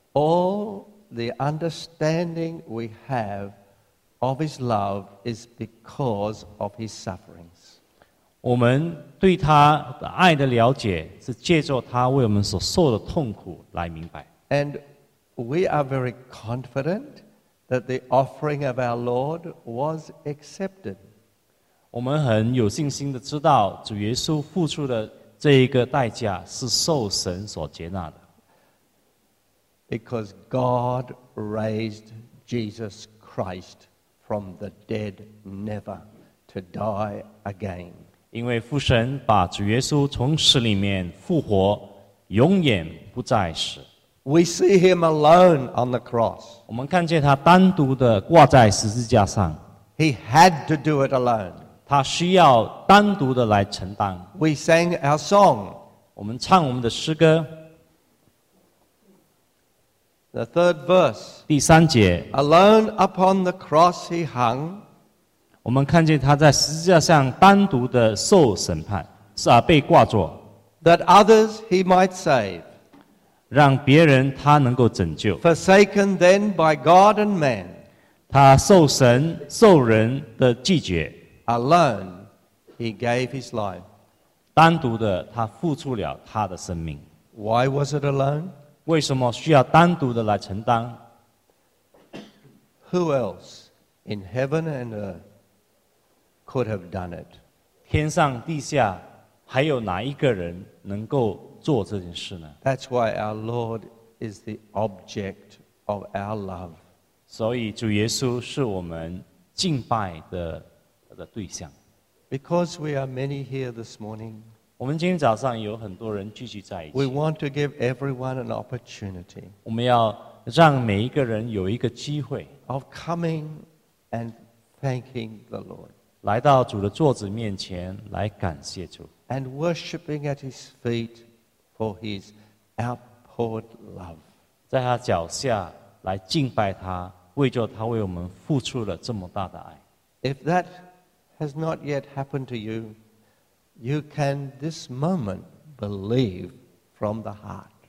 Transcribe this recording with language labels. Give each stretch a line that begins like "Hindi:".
English: All the understanding we have of his love is because of his sufferings.
Chinese: 我们对他的爱的了解是借着他为我们所受的痛苦来明白。
English: And we are very confident that the offering of our Lord was accepted.
Chinese: 我们很有信心地知道主耶稣付出的这一个代价是受神所接纳的。
English: Because God raised Jesus Christ from the dead never to die again.
Chinese: 因为父神把主耶稣从死里面复活永远不再死。
English: We see him alone on the cross.
Chinese: 我们看见他单独的挂在十字架上。
English: He had to do it alone.
Chinese: 他需要单独的来承担。
English: We sang our song.
Chinese: 我们唱我们的诗歌。
English: The third verse,
Chinese: 第三节
English: alone upon the cross he hung,
Chinese: 我们看见他在十字架上单独的受审判是被挂着
English: that others he might save,
Chinese: 让别人他能够拯救
English: forsaken then by God and man,
Chinese: 他受神受人的拒绝
English: alone he gave his life,
Chinese: 单独的他付出了他的生命
English: why was it alone?
Chinese: 为什么需要单独的来承担
English: Who else in heaven and earth could have done it?
Chinese: 天上地下还有哪一个人能够做这件事呢
English: That's why our Lord is the object of our love.
Chinese: 所以主耶稣是我们敬拜 的对象
English: Because we are many here this morning,
Chinese: 我们今天早上有很多人聚集在一起。
English: We want to give everyone an opportunity.
Chinese: 我们要让每一个人有一个机会。
English: Of coming and thanking the Lord.
Chinese: 来到主的座子面前来感谢主。
English: And worshiping at his feet for his outpoured love.
Chinese: 在他脚下来敬拜他，为着他为我们付出了这么大的爱。
English: If that has not yet happened to you, you can this moment believe from the heart.